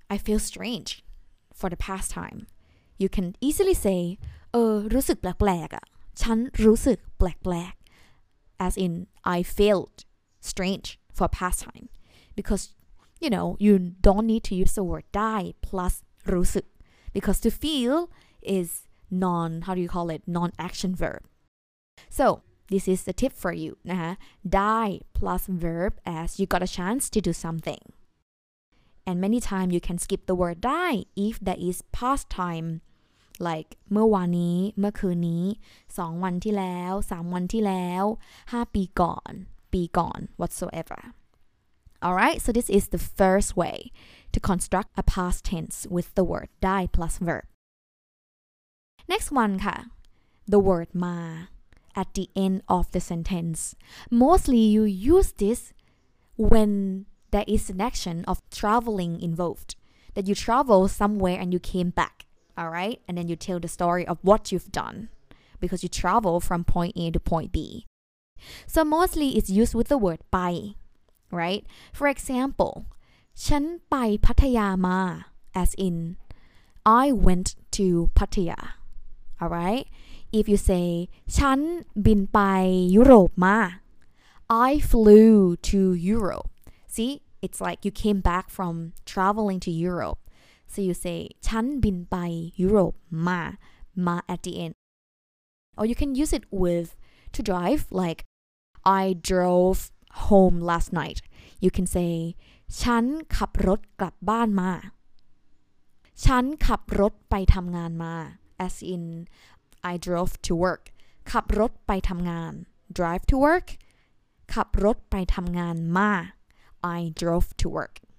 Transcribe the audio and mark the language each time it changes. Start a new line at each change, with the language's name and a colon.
English: feel strange for the past time you can easily say
Thai: รู้สึกแปลกๆอ่ะฉันรู้สึกแปลกๆ
English: as in I felt strange for past time because you know you don't need to use the word die plusรู้สึก because to feel is non-action verb. So this is the tip for you, นะคะ die plus verb as you got a chance to do something. And many times you can skip the word die if that is past time, like เมื่อวานนี้เมื่อคืนนี้สองวันที่แล้วสามวันที่แล้วห้าปีก่อนปีก่อน whatsoever. Alright, so this is the first way to construct a past tense with the word die plus verb. Next one ค่ะ, the word มา at the end of the sentence. Mostly you use this when there is an action of traveling involved, that you travel somewhere and you came back, alright? And then you tell the story of what you've done because you travel from point A to point B. So mostly it's used with the word ไปRight? For example,
Thai: ฉันไปพัทยามา
English: as in I went to Pattaya. Alright? If you say
Thai: ฉันบินไปยุโรปมา
English: I flew to Europe. See? It's like you came back from traveling to Europe. So you say
Thai: ฉันบินไปยุโรปมา
English: at the end. Or you can use it with to drive like I drovehome last night. You can say
Thai: ฉันขับรถกลับบ้านมาฉันขับรถไปทำงานมา
English: as in I drove to work
Thai: ขับรถไปทำงาน
English: drive to work
Thai: ขับรถไปทำงานมา
English: I drove to work